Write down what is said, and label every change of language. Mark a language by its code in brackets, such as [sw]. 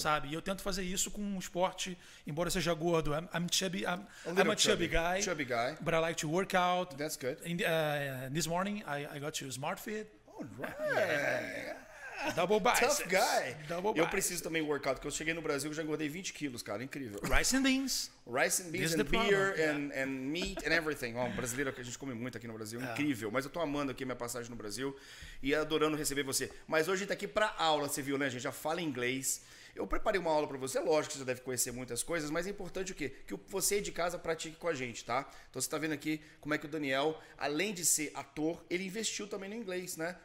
[pt] Sabe? E eu tento fazer isso com um esporte, embora seja gordo. [en] I'm a chubby guy. But I like to work out. That's good. And, this morning, I got to SmartFit. All right. Yeah. Double biceps. Tough guy. [pt] Eu preciso também workout, porque eu cheguei no Brasil e já engordei 20 quilos, cara. Incrível. [en] Rice and beans. Rice and beans and beer and meat and everything. [pt] Oh, brasileiro que a gente come muito aqui no Brasil. Incrível. Mas eu tô amando aqui a minha passagem no Brasil e adorando receber você. Mas hoje a gente tá aqui pra aula, você viu, né? A gente já fala inglês. Eu preparei uma aula para você, lógico que você deve conhecer muitas coisas, mas é importante o quê? Que você aí de casa pratique com a gente, tá? Então você tá vendo aqui como é que o Daniel, além de ser ator, ele investiu também no inglês, né?